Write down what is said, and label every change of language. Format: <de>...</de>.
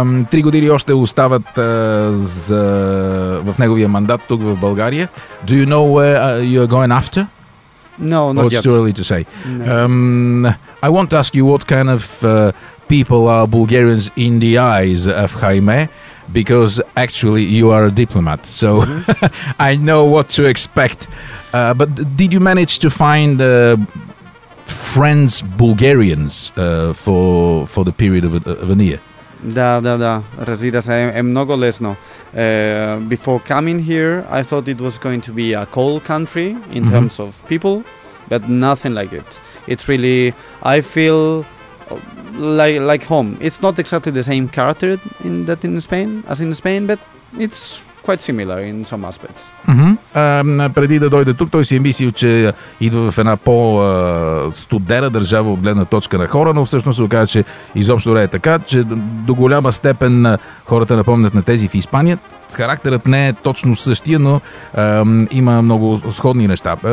<bg>Три години още остават в неговия мандат тук в България.</bg> <en>Do you know where you are going after? No, not Or it's too early to say. No. I want to ask you what kind of people are Bulgarians in the eyes of Jaime. because actually you are a diplomat, so I know what to expect. But did you manage to find friends Bulgarians for the period of an year?</en> <bg>Да. Разбира се, е много лесно.</bg> <en>Before coming here, I thought it was going to be a cold country in terms of people, but nothing like it. It's really, I feel like home. It's not exactly the same character in Spain, but it's quite similar in some aspects.</en> <bg>Преди да дойде тук, той си е мислил, че идва в една по-студена държава от гледна точка на хора, но всъщност се оказа, че изобщо не е така, че до голяма степен хората напомнят на тези в Испания. Характерът не е точно същия, но има много сходни неща.</bg>